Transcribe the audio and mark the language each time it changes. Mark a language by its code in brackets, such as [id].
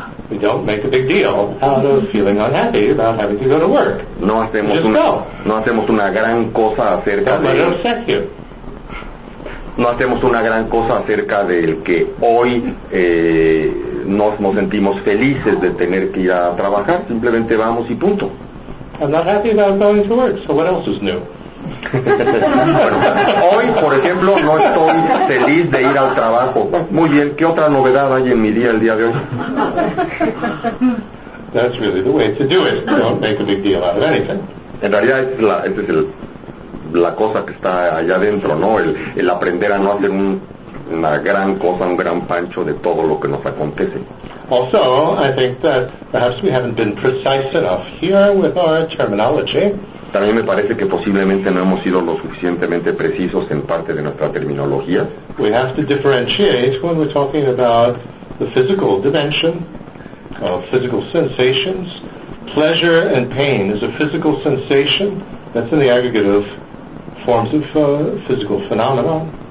[en] We don't make a big deal out of feeling unhappy about having to go to work. [es] No hacemos una gran cosa acerca del que hoy nos sentimos felices de tener que ir a trabajar. Simplemente vamos y punto. [en] I'm not happy about going to work, so what else is new? [es] Bueno, hoy, por ejemplo, no estoy feliz de ir al trabajo. Muy bien, ¿qué otra novedad hay en mi día el día de hoy? [en] That's really the way to do it. Don't make a big deal out of anything. [es] En realidad, esta es la cosa que está allá adentro, ¿no? El aprender a no hacer una gran cosa, un gran pancho de todo lo que nos acontece. [en] Also, I think that perhaps we haven't been precise enough here with our terminology. [es] También me parece que posiblemente no hemos sido lo suficientemente precisos en parte de nuestra terminología. [en] We have to differentiate when we're talking about the physical dimension of physical sensations. Pleasure and pain is a physical sensation. That's in the aggregate of forms of physical phenomena.